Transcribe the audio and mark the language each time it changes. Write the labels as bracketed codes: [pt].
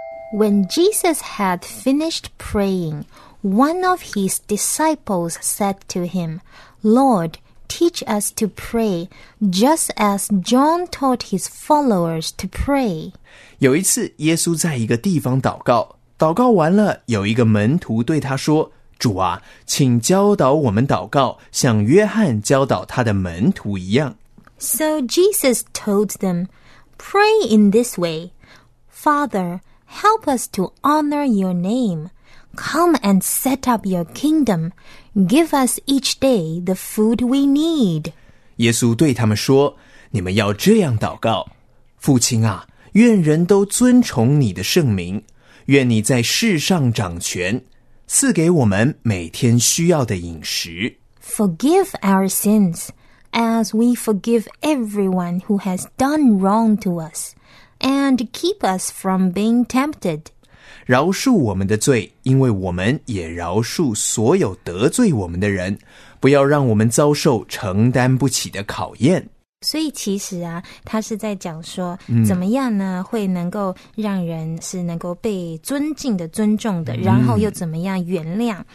[en] When Jesus had finished praying, one of his disciples said to him, Lord, teach us to pray, just as John taught his followers to pray. [zh] 有一次耶稣在一个地方祷告，祷告完了，有一个门徒对他说，主啊，请教导我们祷告，像约翰教导他的门徒一样。 [en] So Jesus told them, pray in this way, Father,Help us to honor your name. Come and set up your kingdom. Give us each day the food we need. [zh] 耶稣对他们说，你们要这样祷告。父亲啊，愿人都尊崇你的圣名。愿你在世上掌权，赐给我们每天需要的饮食。 [en] Forgive our sins, as we forgive everyone who has done wrong to us. And keep us from being tempted. [zh] 饶恕我们的罪，因为我们也饶恕所有得罪我们的人，不要让我们遭受承担不起的考验。所以其实啊，他是在讲说，怎么样呢，会能够让人是能够被尊敬的、尊重的，然后又怎么样原谅。